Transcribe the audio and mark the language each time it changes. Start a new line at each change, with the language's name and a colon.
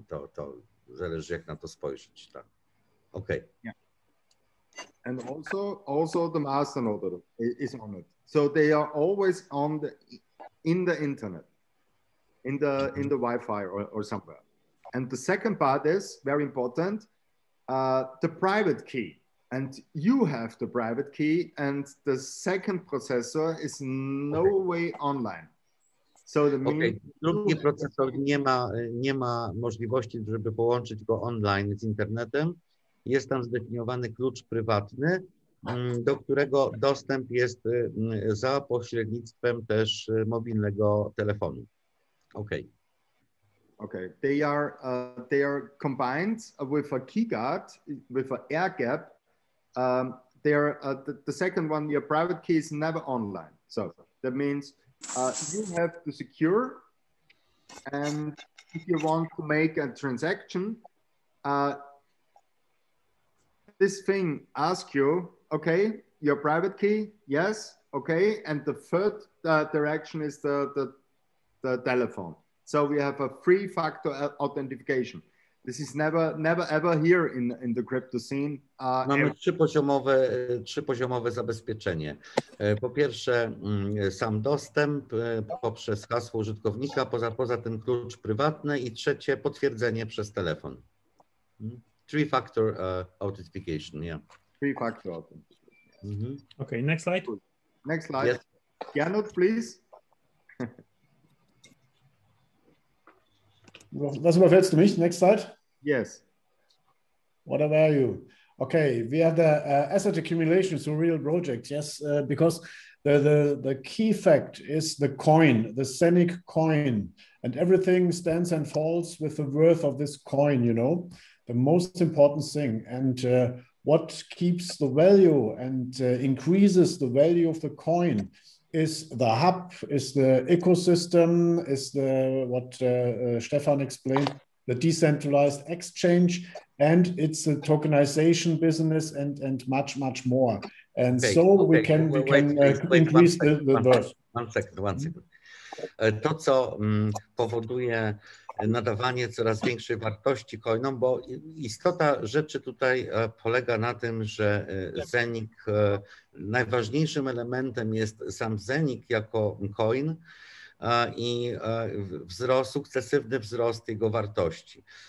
Polish: To zależy, jak na to spojrzeć. Tak. Okej.
English: Okay. Yeah. And also the masternode is on it. So they are always on the in the internet, in the Wi-Fi or somewhere. And the second part is very important, the private key. And you have the private key, and the second processor is no way online. So the main
Polish: drugi procesor nie ma możliwości, żeby połączyć go online z internetem. Jest tam zdefiniowany klucz prywatny, do którego dostęp jest za pośrednictwem też mobilnego telefonu.
English: Okay. They are combined with a key guard, with an air gap. The second one, your private key is never online. So that means you have to secure, and if you want to make a transaction, this thing asks you, okay, your private key, yes, okay, and the third direction is the telephone. So we have a three-factor authentication. This is never ever here in the crypto scene.
Polish: Mamy trzypoziomowe zabezpieczenie. Po pierwsze, sam dostęp poprzez hasło użytkownika, poza tym klucz prywatny, i trzecie, potwierdzenie przez telefon.
English: Three-factor authentication, yeah. Three-factor authentication. Mm-hmm. Okay, next slide. Next slide. Yes. Janot, please.
German: Was überfällst du mich?
English: Next slide. Yes. What a value. Okay, we have the asset accumulation through real projects, yes, because the key fact is the coin, the Scenic coin, and everything stands and falls with the worth of this coin, you know. The most important thing, and what keeps the value and increases the value of the coin is the hub, is the ecosystem, is the what Stefan explained, the decentralized exchange, and it's the tokenization business and much, much more. And okay. we can increase the worth. One second.
Polish: To, co powoduje nadawanie coraz większej wartości coinom, bo istota rzeczy tutaj polega na tym, że Zenik, najważniejszym elementem jest sam Zenik jako coin i wzrost, sukcesywny wzrost jego wartości.